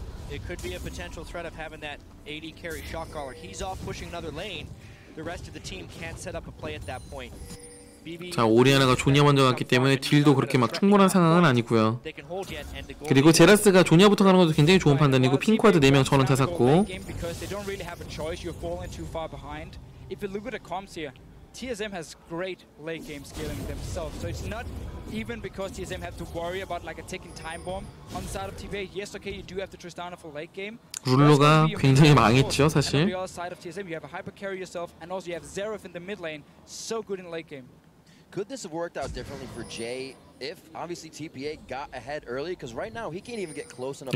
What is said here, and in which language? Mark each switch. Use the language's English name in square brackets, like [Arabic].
[English] it could be a potential threat of having that AD carry shot caller. He's off pushing another lane. The rest of the team can't set up a play at that point. [Korean] 자, 오리아나가 조니아 먼저 갔기 때문에 딜도 그렇게 막 충분한 상황은 아니고요. 그리고 제라스가 조니아부터 가는 것도 굉장히 좋은 판단이고 핑쿼드 4명 저는 다 샀고. [English] If you look at the comps here, TSM has great late game scaling themselves. So it's not even because TSM have to worry about like a ticking time bomb on the side of TBA. Yes, okay, you do have to Tristana for late game. [Korean] 룰로가 굉장히 망했죠, 사실. [English] On the other side of TSM, you have a hyper carry yourself, and also you have Zeref in the mid lane, so good in late game. Could this have worked out differently for Jay if obviously TPA got ahead early? Because right now he can't even get close enough.